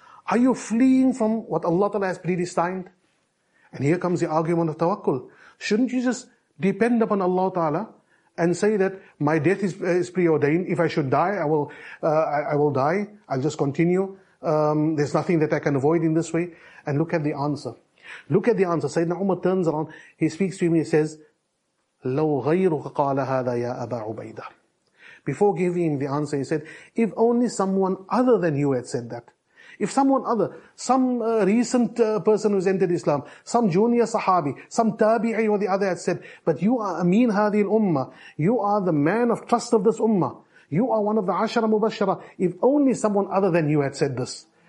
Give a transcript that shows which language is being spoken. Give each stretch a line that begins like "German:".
English: Are you fleeing from what Allah Ta'ala has predestined? And here comes the argument of tawakkul. Shouldn't you just depend upon Allah Ta'ala and say that my death is preordained? If I should die, I will die. I'll just continue. There's nothing that I can avoid in this way. And look at the answer. Look at the answer. Sayyidina Umar turns around. He speaks to him. He says,
Arabic: لَوْ غَيْرُكَ قَالَ هَذَا يَا أَبَا عُبَيْدَ.
English: Before giving him the answer, he said, if only someone other than you had said that. If someone other, some recent person who's entered Islam, some junior sahabi, some tabi'i or the other had said, but you are Amin Hadi al-Ummah, you are the man of trust of this Ummah, you are one of the Ashara Mubashara, if only someone other than you had said this.